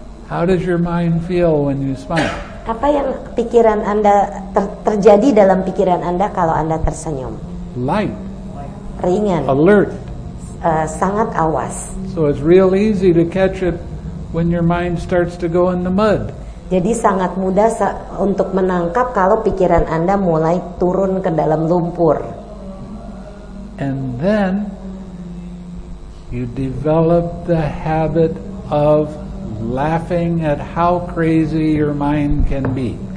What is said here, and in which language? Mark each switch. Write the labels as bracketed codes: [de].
[en] How does your mind feel when you smile? [id] Apa yang pikiran Anda terjadi dalam pikiran Anda kalau Anda tersenyum? [en] Light. [id] Ringan. [en] Alert. [id] Sangat awas. [en] So it's real easy to catch it when your mind starts to go in the mud. [id] Jadi sangat mudah untuk menangkap kalau pikiran Anda mulai turun ke dalam lumpur. [en] And then you develop the habit of laughing at how crazy your mind can be.